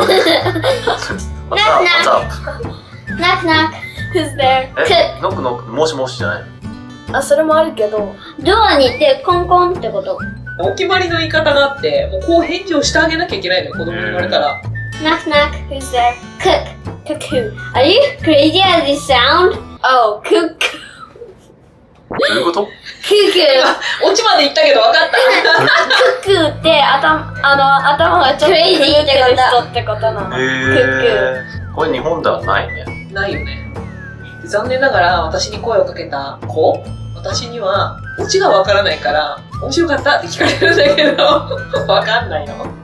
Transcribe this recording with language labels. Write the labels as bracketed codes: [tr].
[ja] ノックノック。ノックノック。 [en] Who's there? [ja] ノックノック。もしもしじゃない。あ、それもあるけど。ドアに行ってコンコンってこと。お決まりの言い方があって、もうこう返事をしてあげなきゃいけないのよ、子供に言われたら。 [en] ノックノック。Who's there? Cook. Cuckoo. Are you crazy as this sound? Oh, cuckoo. [ja] どういうこと？ [en] Cuckoo. [ja] 落ちまで言ったけど分かった。 Cuckoo って頭がちょっと狂ってる人ってことなの。これ日本ではないね。ないよね。残念ながら私に声をかけた子、私には落ちが分からないから面白かったって聞かれるんだけど分かんないよ。